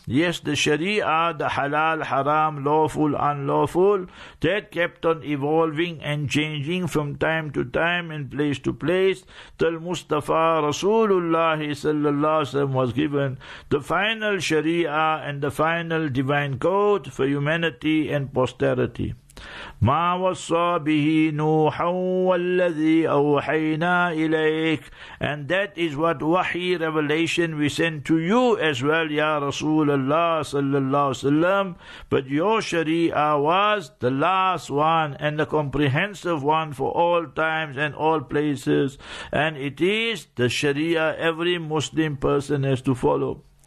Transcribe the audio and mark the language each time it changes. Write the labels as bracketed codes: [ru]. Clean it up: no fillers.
[en] Yes, the sharia, the halal, haram, lawful, unlawful, that kept on evolving and changing from time to time and place to place till Mustafa Rasulullah sallallahu alaihi wasallam was given the final sharia and the final divine code for humanity and posterity. [ar] ما وصى به نوحا والذي أوحينا إليك. [en] And that is what wahi revelation we send to you as well, Ya Rasulullah sallallahu alayhi wa sallam. But your sharia was the last one and the comprehensive one for all times and all places. And it is the sharia every Muslim person has to follow.